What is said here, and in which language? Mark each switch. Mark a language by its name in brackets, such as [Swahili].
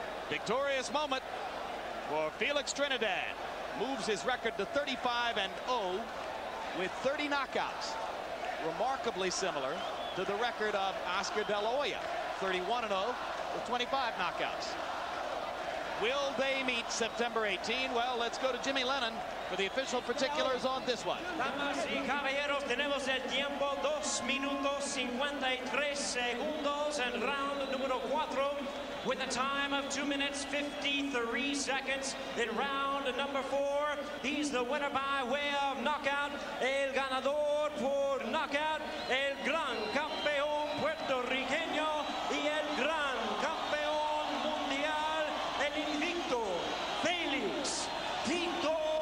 [English] Victorious moment for Felix Trinidad. Moves his record to 35-0 with 30 knockouts. Remarkably similar to the record of Oscar De La Hoya, 31-0 with 25 knockouts. Will they meet September 18? Well, let's go to Jimmy Lennon for the official particulars on this one. [Spanish] Damas y caballeros, tenemos el tiempo 2 minutos 53 segundos en round número 4. [English] with a time of 2 minutes 53 seconds in round number 4. He's the winner by way of knockout. [Spanish] El ganador por knockout, el gran campeón puertorriqueño y el gran campeón mundial, el invicto Félix Tito